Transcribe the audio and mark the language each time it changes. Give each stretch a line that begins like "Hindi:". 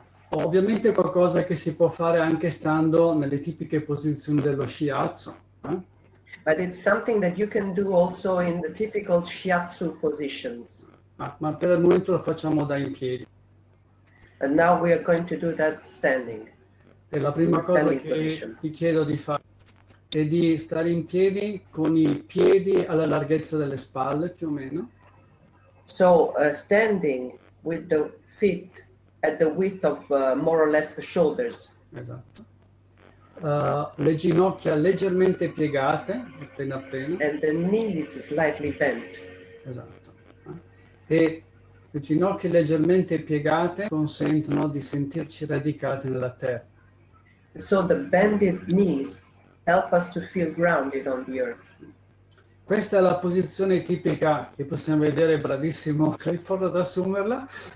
Italian: Ovviamente qualcosa che si può fare anche stando nelle tipiche posizioni dello shiatsu.
English: But it's something that you can do also in the typical shiatsu positions.
Italian: Ma per il momento lo facciamo da in piedi.
English: And now we are going to do that standing.
Italian: E la prima cosa che vi chiedo di fare è di stare in piedi con i piedi alla larghezza delle spalle, più o meno.
English: So, standing with the feet at the width of more or less the shoulders.
Italian: Esatto. Le ginocchia leggermente piegate, appena appena.
English: And the knees slightly bent.
Italian: Esatto. E le ginocchia leggermente piegate consentono di sentirci radicati nella terra.
English: So the bended knees help us to feel grounded on the earth.
Italian: Questa è la posizione tipica che possiamo vedere, bravissimo Clifford ad assumerla.